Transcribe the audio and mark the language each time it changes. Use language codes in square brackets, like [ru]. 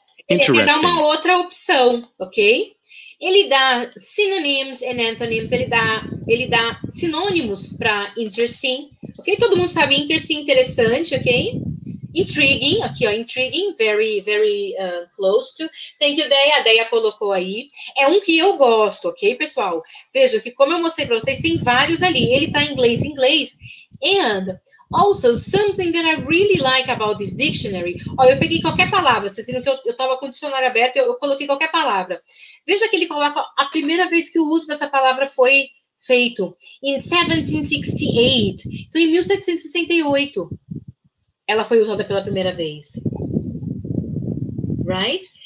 [pt] Ele dá uma outra opção, ok? Ele dá [en] synonyms and antonyms, [pt] ele dá sinônimos para interesting, ok? Todo mundo sabe interesting, interessante, ok? Intriguing, aqui, ó, intriguing, [en] very, very close to. Thank you, Deia. [pt] A Deia colocou aí. É um que eu gosto, ok, pessoal? Veja que, como eu mostrei para vocês, tem vários ali. Ele tá em inglês, inglês. [en] And... Also, something that I really like about this dictionary. [pt] Olha, eu peguei qualquer palavra. Vocês viram que eu estava com o dicionário aberto, eu coloquei qualquer palavra. Veja que ele coloca a primeira vez que o uso dessa palavra foi feito. [en] In 1768. [pt] Então, em 1768, ela foi usada pela primeira vez. [en] Right?